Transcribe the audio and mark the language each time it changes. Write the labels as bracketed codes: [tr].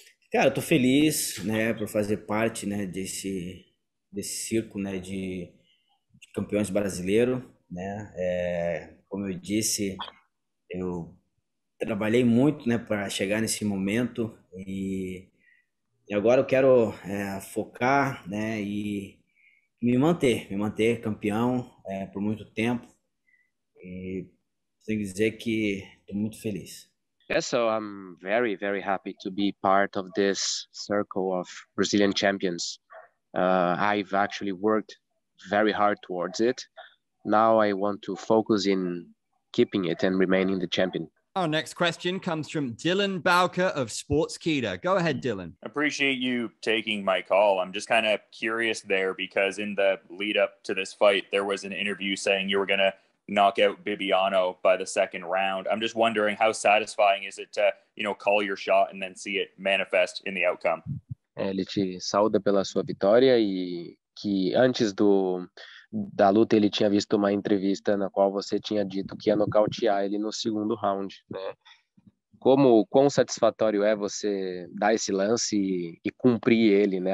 [pt] Cara, eu tô feliz, né, por fazer parte, né, desse circo, né, de campeões brasileiros, né, como eu disse, eu trabalhei muito, né, para chegar nesse momento e agora eu quero focar, né, me manter campeão por muito tempo. E tem que dizer que estou muito feliz. [en] Yeah, so I'm very, very happy to be part of this circle of Brazilian champions. I've actually worked very hard towards it. Now I want to focus in keeping it and remaining the champion. Our next question comes from Dylan Bauker of SportsKeeda. Go ahead, Dylan. Appreciate you taking my call. I'm just kind of curious there, because in the lead up to this fight, there was an interview saying you were going to knock out Bibiano by the second round. I'm just wondering, how satisfying is it to, you know, call your shot and then see it manifest in the outcome? [pt] Ele te saúda pela sua vitória e que antes da luta ele tinha visto uma entrevista na qual você tinha dito que ia nocautear ele no segundo round, né? Como quão satisfatório é você dar esse lance e cumprir ele, né?